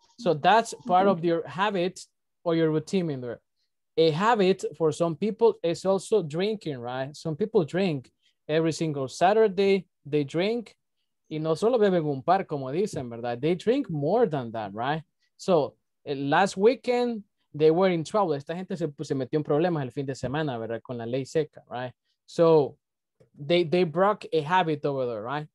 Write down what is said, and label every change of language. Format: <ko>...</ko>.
<en>So that's part of your habit or your routine in there. A habit for some people is also drinking, right? Some people drink every single Saturday. They drink.</en> <es>Y no solo beben un par, como dicen, ¿verdad?</es> <en>They drink more than that,</en> <es>right?</es> <en>So, last weekend, they were in trouble.</en> <es>Esta gente se metió en problemas el fin de semana, ¿verdad? Con la ley seca, right?</es> <en>So, they broke a habit over there, right?</en>